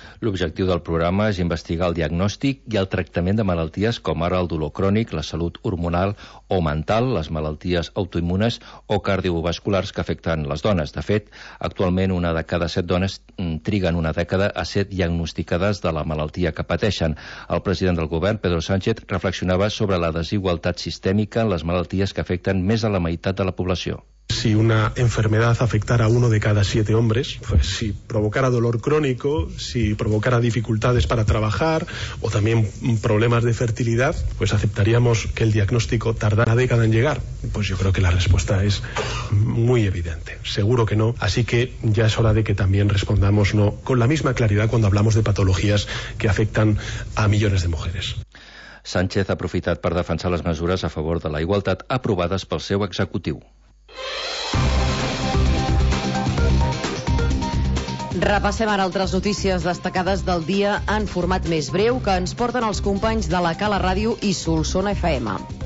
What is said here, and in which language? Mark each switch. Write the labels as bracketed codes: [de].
[ca] L'objectiu del programa és investigar el diagnòstic i el tractament de malalties com ara el dolor crònic, la salut hormonal o mental, les malalties autoimmunes o cardiovasculars que afecten les dones. De fet, actualment una de cada 7 dones triguen una dècada a ser diagnosticades de la malaltia que pateixen. El president del govern, Pedro Sánchez, reflexionava sobre la desigualtat sistèmica en les malalties que afecten més de la meitat de la població. [es] Si una enfermedad afectara a uno de cada 7 hombres, pues si provocara dolor crónico, si provocara dificultades para trabajar o también problemas de fertilidad, pues aceptaríamos que el diagnóstico tardara una década en llegar. Pues yo creo que la respuesta es muy evidente, seguro que no. Así que ya es hora de que también respondamos no con la misma claridad cuando hablamos de patologías que afectan a millones de mujeres. [ca] Sánchez ha aprofitat per defensar les mesures a favor de la igualtat aprovades pel seu executiu. Repassem ara altres notícies destacades del dia en format més breu que ens porten els companys de la Cala Ràdio i Solsona FM.